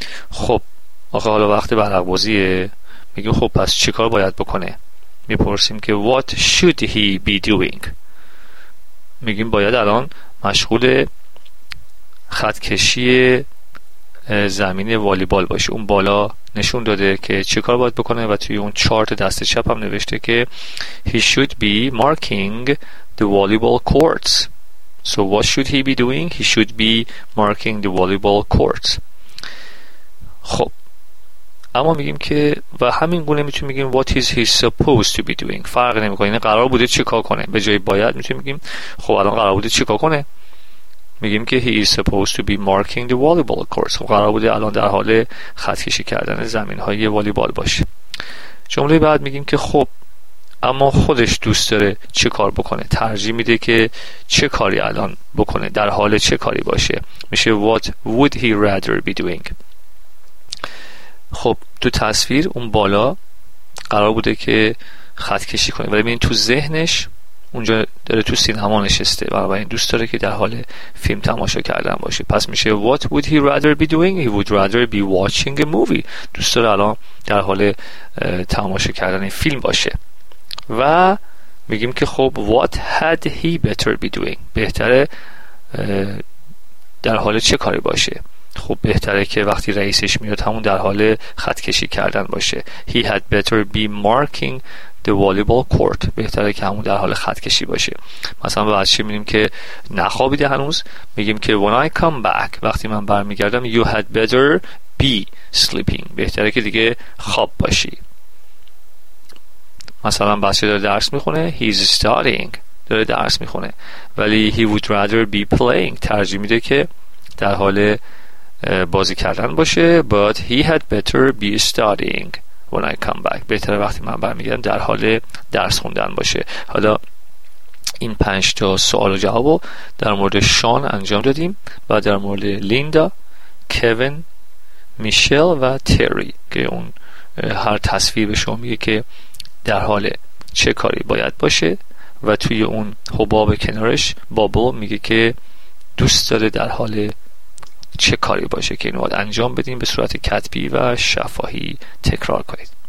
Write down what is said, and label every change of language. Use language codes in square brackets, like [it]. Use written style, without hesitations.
[fa] خب آقا حالا وقت ورق بازیه؟ میگیم خب پس چی کار باید بکنه؟ میپرسیم که [en] What should he be doing؟ [fa] میگیم باید الان مشغول خطکشی زمین والیبال باشه. اون بالا نشون داده که چه کار باید بکنه و توی اون چارت دست چپ هم نوشته که [en] He should be marking the volleyball courts. So what should he be doing? He should be marking the volleyball courts. [fa] خب اما میگیم که و همین گونه میتونیم بگیم [en] what is he supposed to be doing. [fa] فرق نمی کنه، قرار بوده چیکار کنه. به جای باید میتونیم بگیم خب الان قرار بوده چیکار کنه. میگیم که [en] he is supposed to be marking the volleyball courts. [fa] خب قرار بوده الان در حال خط کشی کردن زمین های والیبال باشه. جمله بعد میگیم که خب اما خودش دوست داره چه کار بکنه، ترجیح میده که چه کاری الان بکنه، در حال چه کاری باشه. میشه [en] what would he rather be doing. [fa] خب تو تصویر اون بالا قرار بوده که خط کشی کنه، ولی ببین تو ذهنش اونجا داره تو سینما نشسته و این دوست داره که در حال فیلم تماشا کردن باشه. پس میشه [en] what would he rather be doing. He would rather be watching a movie. [fa] دوست داره الان در حال تماشا کردن فیلم باشه. و میگیم که خب [en] what had he better be doing. [fa] بهتره در حال چه کاری باشه. خب بهتره که وقتی رئیسش میاد همون در حال خط کشی کردن باشه. [en] He had better be marking the volleyball court. [fa] بهتره که همون در حال خط کشی باشه. مثلا به بچه میگیم که نخوابیده هنوز، میگیم که [en] when I come back، [fa] وقتی من برمیگردم، [en] you had better be sleeping. [fa] بهتره که دیگه خواب باشی. مثلا بچه داره درس میخونه، [en] he's studying، [fa] داره درس میخونه، ولی [en] he would rather be playing، [fa] ترجیح میده که در حال بازی کردن باشه. [en] but he had better be studying when I come back. [fa] بهتره وقتی من برمیگردم در حال درس خوندن باشه. حالا این 5 تا سوال و جوابو در مورد شان انجام دادیم و در مورد لیندا، کوین، میشل و تری که اون هر تصویر به شما میگه که در حال چه کاری باید باشه و توی اون حباب کنارش بابل میگه که دوست داره در حال چه کاری باشه که اینو انجام بدیم به صورت کتبی و شفاهی تکرار کنید.